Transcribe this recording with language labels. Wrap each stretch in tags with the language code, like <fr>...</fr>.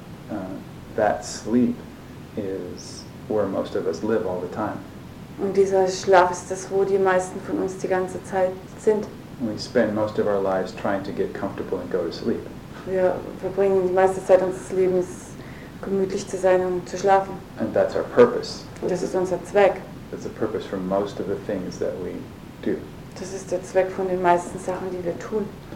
<en>And that sleep is where most of us live all the time.</en> <de>Und dieser Schlaf ist das, wo die meisten von uns die ganze Zeit sind.</de> <en>We spend most of our lives trying to get comfortable and go to sleep.</en> <de>Wir verbringen die meiste Zeit unseres Lebens gemütlich zu sein und zu schlafen.</de> <en>And that's our purpose.</en> <de>Und das ist unser Zweck.</de> <en>That's the purpose for most of the things that we do.</en> <de>Das ist der Zweck von den meisten Sachen, die wir tun.</de>